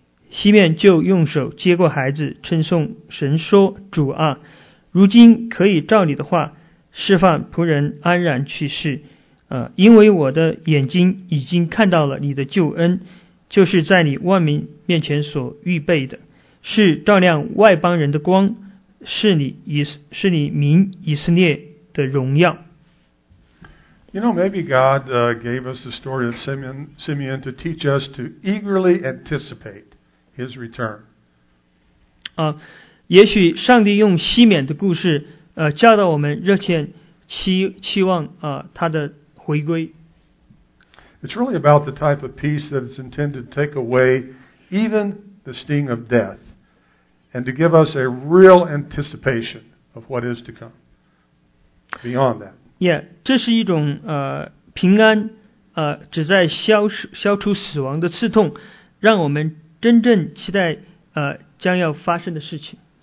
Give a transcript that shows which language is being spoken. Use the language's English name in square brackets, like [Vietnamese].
[Chinese] 西面就用手接过孩子，称颂神说，主啊，如今可以照你的话释放仆人安然去世，因为我的眼睛已经看到了你的救恩，就是在你万民面前所预备的，是照亮外邦人的光，是你民以色列的荣耀。 [English] You know, maybe God gave us the story of Simeon to teach us to eagerly anticipate His return. [Chinese] 也许上帝用西缅的故事。教导我们热切期望他的回归。 [English] It's really about the type of peace that is intended to take away even the sting of death and to give us a real anticipation of what is to come beyond that. [Chinese] Yeah, 这是一种平安旨在消除死亡的刺痛，让我们真正期待将要发生的事情。